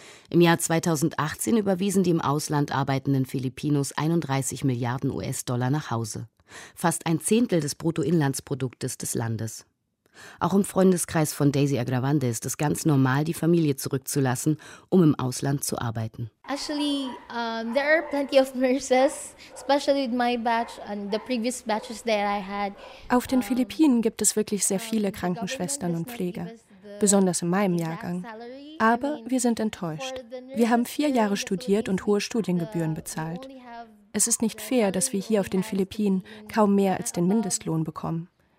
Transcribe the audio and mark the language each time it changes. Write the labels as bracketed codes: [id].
[de] Im Jahr 2018 überwiesen die im Ausland arbeitenden Filipinos 31 Milliarden US-Dollar nach Hause. Fast ein Zehntel des Bruttoinlandsproduktes des Landes. Auch im Freundeskreis von Daisy Agravande ist es ganz normal, die Familie zurückzulassen, um im Ausland zu arbeiten. [en] Actually, there are plenty of nurses, especially with my batch and the previous batches that I had. [de] Auf den Philippinen gibt es wirklich sehr viele Krankenschwestern und Pfleger, besonders in meinem Jahrgang. Aber wir sind enttäuscht. Wir haben 4 Jahre studiert und hohe Studiengebühren bezahlt. Es ist nicht fair, dass wir hier auf den Philippinen kaum mehr als den Mindestlohn bekommen.